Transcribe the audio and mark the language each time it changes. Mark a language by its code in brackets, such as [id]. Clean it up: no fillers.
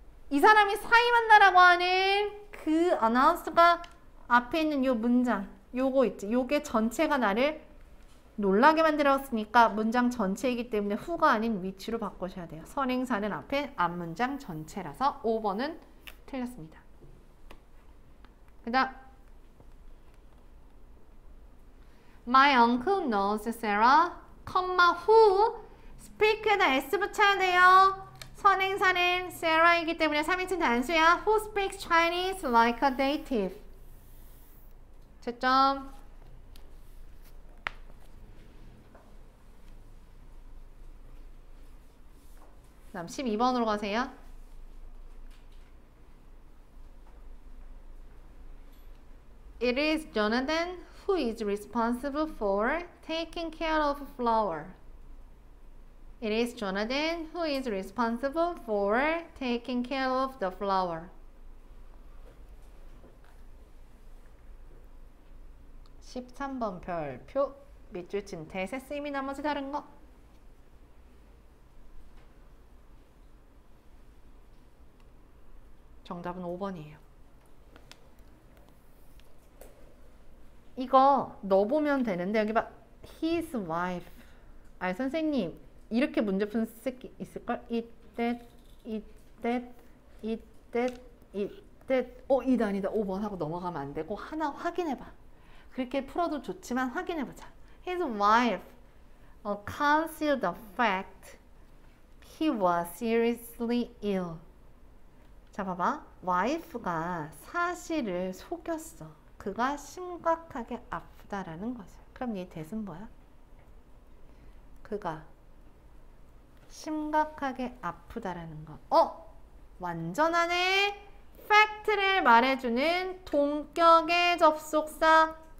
[ko] 이 사람이 사임한다라고 하는 그 아나운스가 앞에 있는 요 문장 요거 있지. 요게 전체가 나를 놀라게 만들었으니까 문장 전체이기 때문에 후가 아닌 위치로 바꾸셔야 돼요. 선행사는 앞에 앞문장 전체라서 5번은 틀렸습니다. [en] 그다음 My uncle knows Sarah, comma who speak the S [ko] 붙여야 돼요. 선행사는 Sarah이기 때문에 3인칭 단수야. [en] Who speaks Chinese like a native. [ko] 채점 다음 12번으로 가세요. [en] 'It is Jonathan who is responsible for taking care of flower.' 'It is Jonathan who is responsible for taking care of the flower.' [ko] 13번 별표 밑줄 친 대세 쓰임이 나머지 다른 거. 정답은 5번이에요. 이거 넣어보면 되는데 여기 봐. [en] His wife. [ko] 아 선생님 이렇게 문제 푼 새끼 있을걸? [en] It that, it that, it that, it that. [ko] 어 이 단이다. 5번 하고 넘어가면 안 되고 하나 확인해봐. 그렇게 풀어도 좋지만 확인해보자. [en] His wife concealed the fact he was seriously ill. [ko] 자 봐봐. wife가 사실을 속였어. 그가 심각하게 아프다라는 것을. 그럼 얘 대신 뭐야? 그가 심각하게 아프다라는 것. 어? 완전하네. fact를 말해주는 동격의 접속사.